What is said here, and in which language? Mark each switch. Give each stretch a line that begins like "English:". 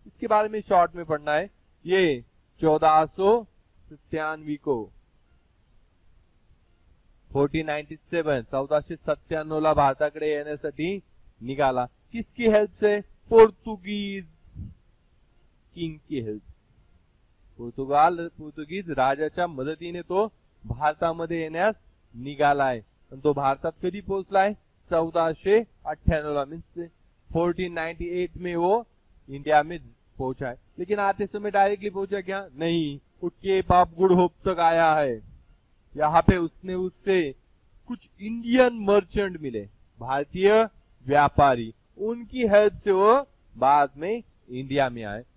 Hindi: इसके बारे में शॉर्ट में पढ़ना है ये 1497 को
Marathi: 1497 भारताकडे येण्यासाठी निघाला।
Hindi: किसकी हेल्प से? पोर्तुगीज किंग की हेल्प।
Marathi: पोर्तुगाल पोर्तुगीज राजाच्या मदतीने तो भारतामध्ये येण्यास निघालाय। तो भारतात कधी पोहोचलाय?
Hindi: 1498 मीन्स 1498 में वो इंडिया में पहुंचा है। लेकिन आते समय डायरेक्टली पहुंचा क्या? नहीं, वो केप ऑफ गुड होप तक आया है। यहाँ पे उसने उससे कुछ इंडियन मर्चेंट मिले, भारतीय व्यापारी, उनकी हेल्प से वो बाद में इंडिया में आए।